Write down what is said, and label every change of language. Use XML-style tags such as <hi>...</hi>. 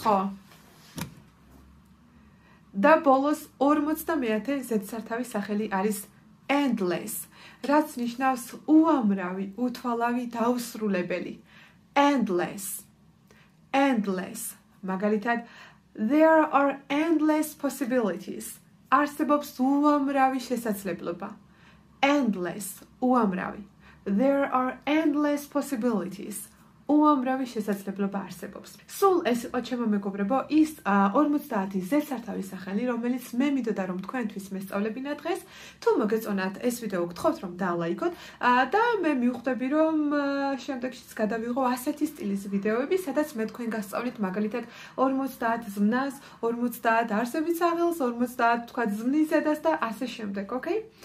<ka>ხო. და ბოლოს 50-ე ზედსართავი სახელი არის endless, რაც ნიშნავს უამრავი, უთვალავი, დაუსრულებელი.</ka> <en>Endless. Endless.</en> <ka>მაგალითად,</ka> <en>there are endless possibilities.</en> <ka>არსებობს უამრავი შესაძლებლობა. Endless. უამრავი.</ka> <en>There are endless possibilities.</en> <ka>უამრავი შესაძლებლობა არსებობს. Сул, ეს იყო ჩემო მეგობრებო, ის 50 ზედსართავის სახელი, რომელიც მე მითხოდა რომ თქვენთვის მესწავლებინა დღეს. თუ მოგეწონათ ეს ვიდეო, გთხოვთ რომ დალაიქოთ და მე მივხვდები რომ შემდეგშიც გადავიღო ასეთი სტილის ვიდეოები, სადაც მე თქვენ გასწავლით მაგალითად 50 ზმნას, 50 არსებით სახელს, 50 თქვათ ზმნისადას და ასე შემდეგ, ოკეი?</ka>